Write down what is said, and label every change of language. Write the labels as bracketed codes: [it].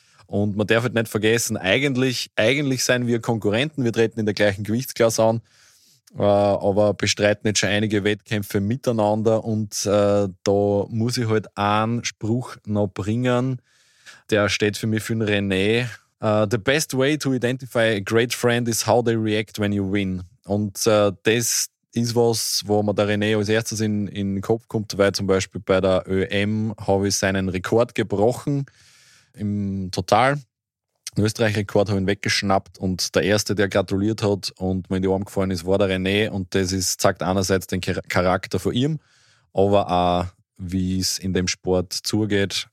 [de] Und man darf halt nicht vergessen, eigentlich seien wir Konkurrenten, wir treten in der gleichen Gewichtsklasse an, aber bestreiten jetzt schon einige Wettkämpfe miteinander und da muss ich halt einen Spruch noch bringen, der steht für mich für den René. [en] The best way to identify a great friend is how they react when you win. [de] Und das ist was, wo mir der René als erstes in den Kopf kommt, weil zum Beispiel bei der ÖM habe ich seinen Rekord gebrochen. Im Total. Den Österreich-Rekord habe ich ihn weggeschnappt und der Erste, der gratuliert hat und mir in die Arme gefallen ist, war der René und das ist, zeigt einerseits den Charakter von ihm, aber auch, wie es in dem Sport zugeht.